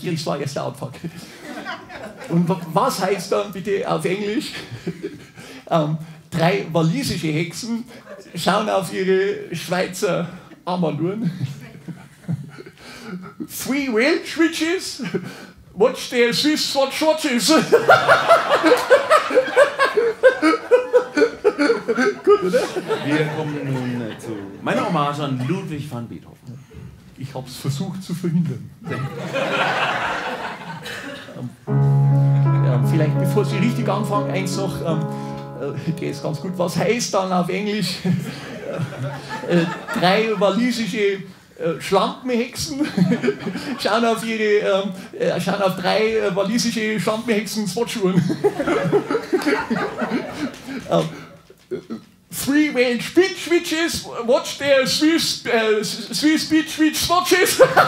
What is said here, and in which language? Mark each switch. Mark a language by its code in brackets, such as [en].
[de] Das war erst der Anfang. Und was heißt dann bitte auf Englisch Drei walisische Hexen schauen auf ihre Schweizer Armbanduhren. [en] Three Welsh witches watch their Swiss watch watches. [de] Gut, oder? Wir kommen nun zu meiner Hommage an Ludwig van Beethoven. Ich hab's versucht zu verhindern. vielleicht bevor Sie richtig anfangen, eins noch. Okay, ist ganz gut. Was heißt dann auf Englisch drei walisische Schlampenhexen schauen auf ihre schauen auf drei walisische Schlampenhexen Swatchuhren. [en] Three Welsh Beach Witches watch their Swiss Beach Witch Swatches.